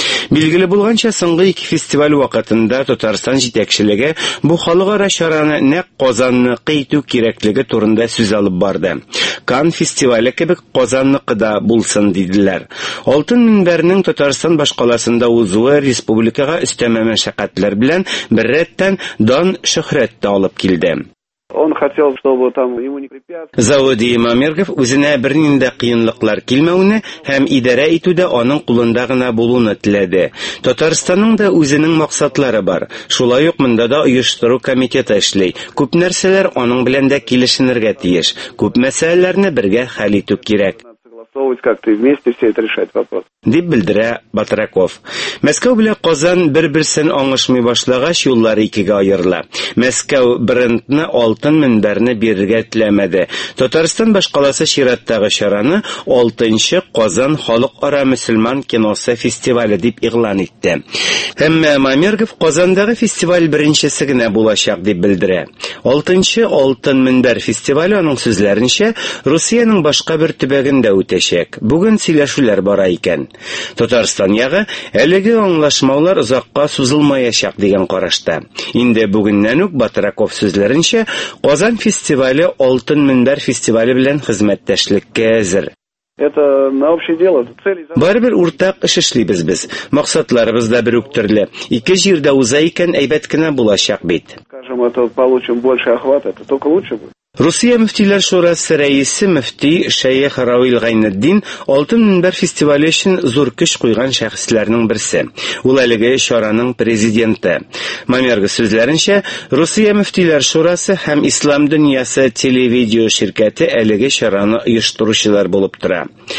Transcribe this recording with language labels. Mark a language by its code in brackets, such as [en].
[tt] Билгеле булганча, соңгы ике фестиваль вакытында Татарстан җитәкчелеге бу халыкара чараны нәк Казанны кыйту кирәклеге турында сүз алып барды. Кан фестивале кебек Казанныкы да булсын диделәр. Алтын Минбәрнең Татарстан башкаласында узуы республикага өстәмә мәшәкатьләр белән бер рәттән дан шөһрәт тә алып килде. [ru] Он хотел, чтобы там ему не препятствовали. [tt] Зауди Мамергов үзенә бернинде кыенлыклар килмәүне һәм идарә итүдә аның кулында гына булуны теләде. Татарстанның да үзенең максатлары бар. Шулай ук монда да оештыру комитеты эшли. Күп нәрсәләр аның белән дә килешенергә тиеш. Күп мәсьәләләрне бергә хәл итү кирәк. [ru] готовить как-то вместе все это решать вопрос. [tt] Дип билдире Батраков. Мәскәү белән Казан бер-берсен аңышмый башлагач юллар икегә аерыла. Мәскәү брендны алтын мөнбәрне бирергә теләмәде. Татарстан башкаласы Шираттагы шараны 6-нчы Казан халыкара мөселман киносы фестивале дип игълан итте. Әмма Мамергов Казандагы фестиваль беренчесе генә булачак дип билдире. 6-нчы алтын мөнбәр фестивале аның сүзләренчә Русияның башка бер төбәгендә үтәчәк. Бүген сөйләшүләр бара икән. Татарстан ягы әлеге аңлашмалар узакка сузылмаячак дигән карашта. Инде бүгеннән үк Батраков сүзләренчә Казан фестивале алтын мөнбәр фестивале белән хезмәттәшлеккә әзер. [ru] Это на общее дело. [tt] Барыбер уртак эш эшлибез без. Максатларыбыз да бер үк төрле. Ике җирдә уза икән әйбәт кенә булачак бит. [ru] Скажем, это получим больше охват, это только лучше будет. [tt] Русия мөфтиләр шурасы рәисе мөфти Шәех Равил Гайнетдин алтын мөнбәр фестивале өчен зур көч куйган шәхесләрнең берсе. Ул әлеге шараның президенты. Мамерга сүзләренчә, Русия мөфтиләр шурасы һәм Ислам дөньясы телевидео ширкәте әлеге шараны оештыручылар булып тора.